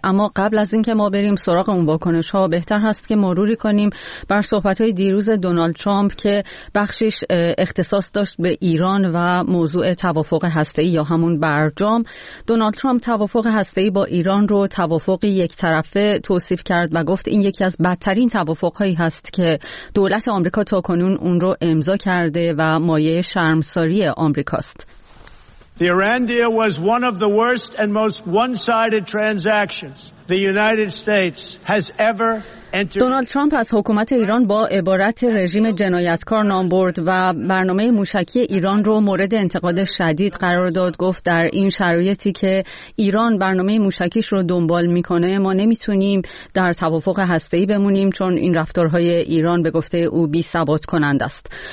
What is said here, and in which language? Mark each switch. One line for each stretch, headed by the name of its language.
Persian: اما قبل از اینکه ما بریم سراغ اون واکنش‌ها، بهتر هست که مروری کنیم بر صحبت‌های دیروز دونالد ترامپ که بخشش اختصاص داشت به ایران و موضوع توافق هسته‌ای یا همون برجام. دونالد ترامپ توافق هسته‌ای با ایران رو توافقی یک طرفه توصیف کرد و گفت این یکی از بدترین توافق‌هایی هست که دولت آمریکا تا کنون اون رو امضا کرده و مایه شرمساری آمریکاست.
English: The Iran deal was one of the worst and most one-sided transactions the United States has ever.
Persian: دونالد ترامپ از حکومت ایران با عبارت رژیم جنایتکار نام برد و برنامه موشکی ایران رو مورد انتقاد شدید قرار داد. گفت در این شرایطی که ایران برنامه موشکیش رو دنبال میکنه، ما نمیتونیم در توافق هسته‌ای بمونیم، چون این رفتارهای ایران به گفته او بی ثبات کنند است.